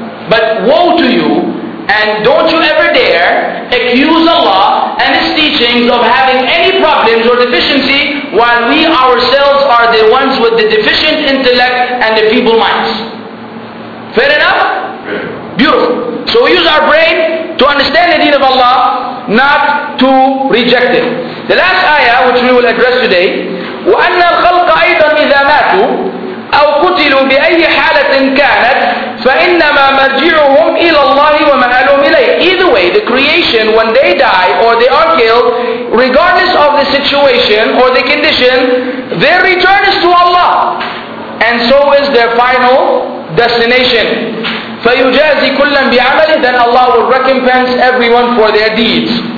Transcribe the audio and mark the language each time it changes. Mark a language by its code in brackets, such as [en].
[en] But woe to you, and don't you ever dare accuse Allah and His teachings of having any problems or deficiency while we ourselves are the ones with the deficient intellect and the feeble minds. Fair enough? Beautiful. So we use our brain to understand the deen of Allah, not to reject it. The last ayah which we will address today, [ar] وَأَنَّ الْخَلْقَ أَيْضًا إِذَا مَاتُوا أَوْ قُتِلُوا بِأَيِّ حَالَةٍ كَانَتْ فَإِنَّمَا مَرْجِعُهُمْ إِلَى اللَّهِ وَمَأْلُهُمْ إِلَيْهِ. [en] Either way, the creation, when they die or they are killed, regardless of the situation or the condition, their return is to Allah. And so is their final destination. [ar] فَيُجَازِي كُلًّا بِعَمَلِهِ. [en] Then Allah will recompense everyone for their deeds.